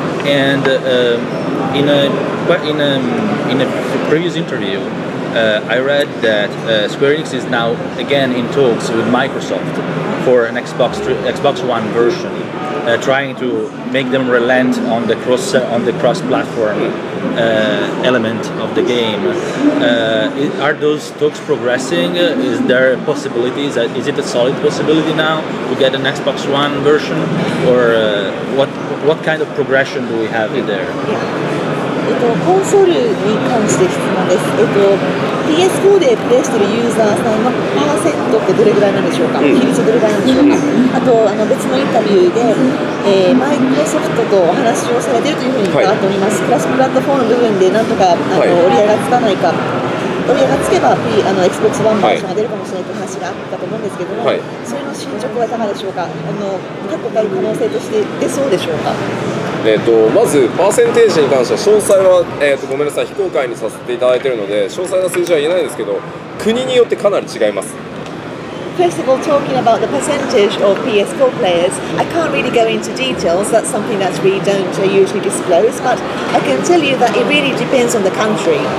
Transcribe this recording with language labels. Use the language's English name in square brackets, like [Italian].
[English] And in a previous interview, I read that Square Enix is now again in talks with Microsoft for an Xbox One version, trying to make them relent on the cross-platform element of the game. Are those talks progressing? Is there a possibility? Is it a solid possibility now to get an Xbox One version? Or what kind of progression do we have in there? [Japanese] コンソールに関して質問です。PS4 でプレイしているユーザーさんのパーセントってどれぐらいなんでしょうか、比率どれぐらいなんでしょうか、あとあの別のインタビューで、マイクロソフトとお話をされているというふうに伺っております、はい、クラッシュプラットフォームの部分でなんとかあの折り合いがつかないか、折り合いがつけばあの Xbox One バージョンが出るかもしれないという話があったと思うんですけども、はい、それの進捗はいかがでしょうか、あの結構ある可能性として出そうでしょうか。まずパーセンテージに関しては詳細は、ごめんなさい、非公開にさせていただいているので詳細な数字は言えないですけど、国によってかなり違います。 [English] First of all, talking about the percentage of PS4 players, I can't really go into details. That's something that we don't usually disclose, but I can tell you that it really depends on the country.